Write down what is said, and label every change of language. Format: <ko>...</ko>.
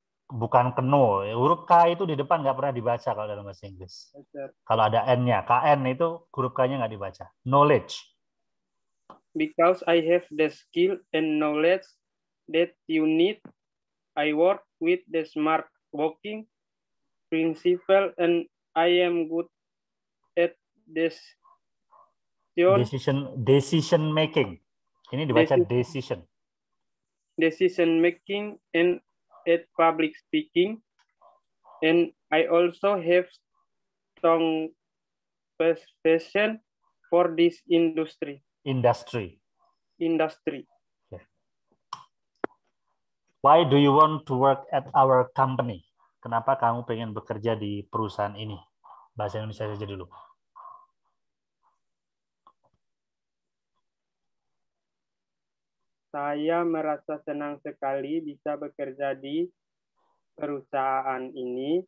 <id>Bukan keno, huruf K itu di depan nggak pernah dibaca kalau dalam bahasa Inggris. Yes, kalau ada N-nya, KN itu huruf K-nya nggak dibaca.</id> <en>Knowledge. Because I have the skill and knowledge that you need, I work with the smart working principle and I am good at this. Decision making.</en> <id>Ini dibaca</id> <en>decision. Decision making and at public speaking, and I also have strong passion for this industry. Industry. Why do you want to work at our company?</en> <id>Kenapa kamu pengen bekerja di perusahaan ini? Bahasa Indonesia saja dulu. Saya merasa senang sekali bisa bekerja di perusahaan ini.</id>